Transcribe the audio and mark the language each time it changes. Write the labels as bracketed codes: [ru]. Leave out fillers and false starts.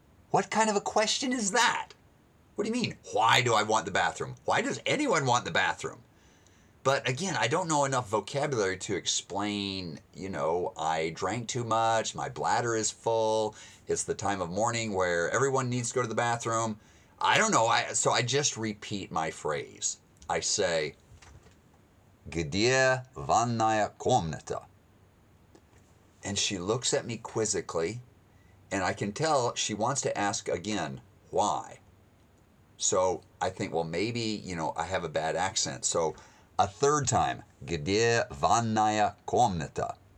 [en] What kind of a question is that? What do you mean, why do I want the bathroom? Why does anyone want the bathroom? But again, I don't know enough vocabulary to explain, you know, I drank too much, my bladder is full, it's the time of morning where everyone needs to go to the bathroom. I don't know. So I just repeat my phrase. I say, [ru] где ванная комната? [en] And she looks at me quizzically, and I can tell she wants to ask again, why? So I think, well, maybe, you know, I have a bad accent. So a third time, [ru] где ванная комната?